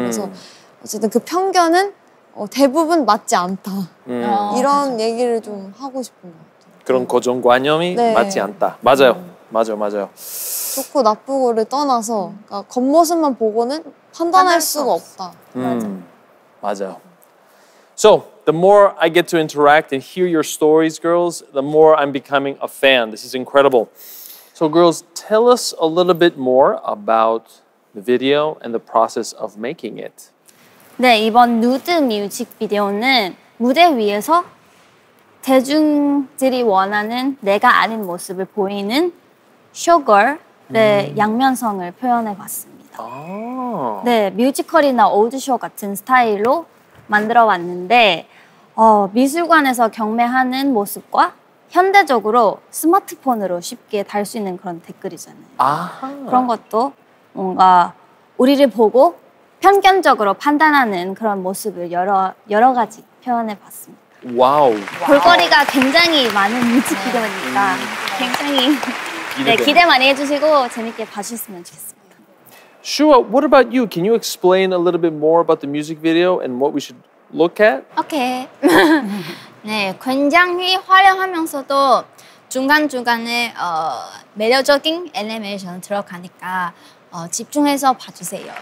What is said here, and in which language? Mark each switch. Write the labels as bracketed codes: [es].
[ko] 그래서 어쨌든 그 편견은 대부분 맞지 않다 이런 얘기를 좀 하고 싶은 것 같아요. 그런 고정관념이 네. 맞지 않다. 맞아요. 맞아요. 좋고 나쁘고를 떠나서 그러니까 겉모습만 보고는 판단할 수가 없다. 맞아요. [en] So, the more I get to interact and hear your stories, girls, the more I'm becoming a fan. This is incredible. So, girls, tell us a little bit more about the video and the process of making it. [ko] 네, 이번 누드 뮤직비디오는 무대 위에서 대중들이 원하는 내가 아닌 모습을 보이는 쇼걸의 양면성을 표현해봤습니다. 아~ 네, 뮤지컬이나 오디션 같은 스타일로 만들어왔는데 미술관에서 경매하는 모습과 현대적으로 스마트폰으로 쉽게 달 수 있는 그런 댓글이잖아요. 아하. 그런 것도 뭔가 우리를 보고 편견적으로 판단하는 그런 모습을 여러 가지 표현해 봤습니다. 와우. 볼거리가 굉장히 많은 뮤직비디오니까 굉장히 네, 기대 많이 해주시고 재밌게 봐주셨으면 좋겠습니다. [en] Shua, what about you? Can you explain a little bit more about the music video and what we should look at? Okay. [ko] 네, 굉장히 화려하면서도 중간중간에 매력적인 애니메이션 들어가니까 집중해서 봐주세요.